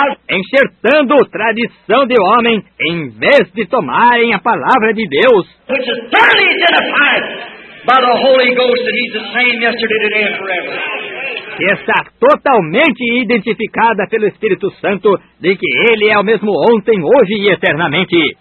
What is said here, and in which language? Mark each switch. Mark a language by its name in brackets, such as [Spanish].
[Portuguese] Enxertando tradição de homem em vez de tomarem a palavra de Deus. [English] Which is thoroughly identified by the Holy Ghost, and he's the same yesterday, today, and forever. [Portuguese] Que está totalmente identificada pelo Espírito Santo de que ele é o mesmo ontem, hoje e eternamente.